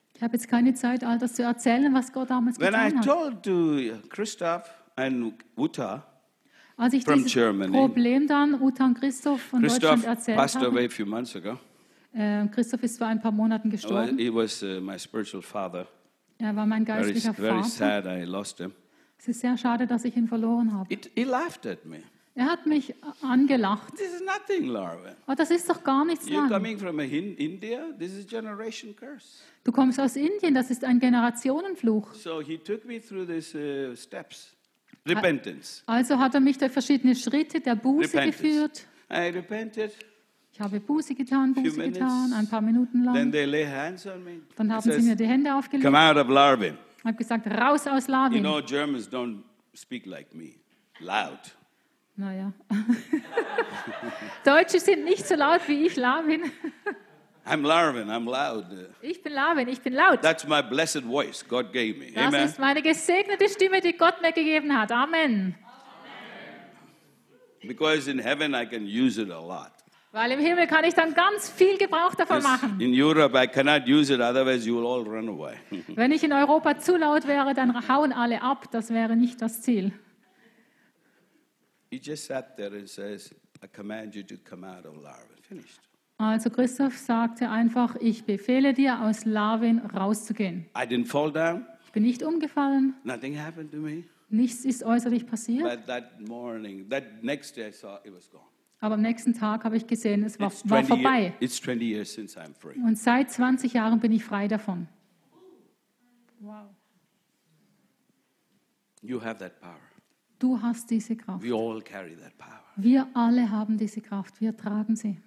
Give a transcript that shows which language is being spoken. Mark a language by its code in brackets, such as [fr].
[de] Ich habe jetzt keine Zeit, all das zu erzählen, was Gott damals [en] when [de] getan [en] I [de] hat. [en] When I told to Christoph and Uta, [de] als ich [en] from [de] dieses [en] Germany. [de] Problem dann Uta und Christoph von [en] Christoph [de] Deutschland erzählt [en] passed [de] habe. [en] Away a few months ago. [de] Christoph ist vor ein paar Monaten gestorben. [en] He was my spiritual father. [de] Er war mein geistlicher [en] very, very [de] Vater. [en] Sad I lost him. [de] Es ist sehr schade, dass ich ihn verloren habe. [en] He laughed at me. [de] Er hat mich angelacht. [en] This is nothing, Larvin. [de] Oh, das ist doch gar nichts. [en] You're coming from India? This is generation curse. [de] Du kommst aus Indien, das ist ein Generationenfluch. [en] So he took me through these steps. Repentance. [de] Also hat mich durch verschiedene Schritte der Buße [en] repentance. [de] Geführt. [en] I repented. [de] Ich habe Buße getan, ein paar Minuten lang. [en] Then they lay hands on me. [de] Dann haben sie mir die Hände aufgelegt. [en] Come out of Larvin. [de] Ich habe gesagt, raus aus Larvin. [en] You know, Germans don't speak like me, loud. [de] Naja. Deutsche sind nicht so laut wie ich, Larvin. [en] I'm Larvin, I'm loud. [de] Ich bin Larvin, ich bin laut. [en] That's my blessed voice God gave me. [de] Das Amen. Ist meine gesegnete Stimme, die Gott mir gegeben hat. Amen. [en] Because in heaven I can use it a lot. [de] Weil im Himmel kann ich dann ganz viel Gebrauch davon machen. [en] In Europe I cannot use it, otherwise you will all run away. [de] Wenn ich in Europa zu laut wäre, dann hauen alle ab. Das wäre nicht das Ziel. [en] He just sat there and says, I command you to come out of Larvin. Finished. [de] Also Christoph sagte einfach, ich befehle dir, aus Larvin rauszugehen. [en] I didn't fall down. [de] Ich bin nicht umgefallen. [en] Nothing happened to me. [de] Nichts ist äußerlich passiert. [en] But that morning, that next day I saw it was gone. [de] Aber am nächsten Tag habe ich gesehen, es war vorbei. [en] It's 20 years since I'm free. [de] Und seit 20 Jahren bin ich frei davon. [en] Wow. You have that power. [de] Du hast diese Kraft. [en] We all carry that power. [de] Wir alle haben diese Kraft, wir tragen sie.